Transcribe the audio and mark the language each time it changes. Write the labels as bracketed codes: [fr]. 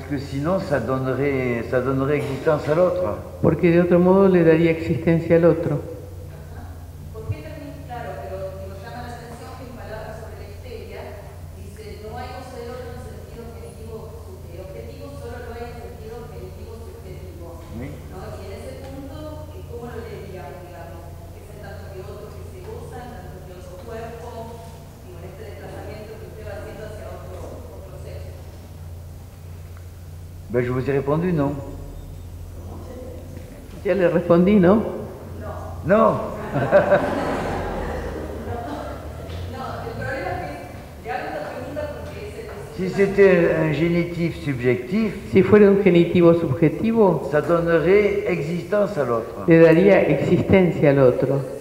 [fr] Sinon, ça donnerait existence à l'autre. [es] Porque de otro modo le daría existencia al otro. [fr] Ben, je vous ai répondu non. Je lui ai répondu non. Non. Non. Non, le problème est que j'ai une autre question parce que si c'était un génitif subjectif, [es] si fuera un genitivo subjetivo, [fr] ça donnerait existence à l'autre. [es] Le daría existencia al otro.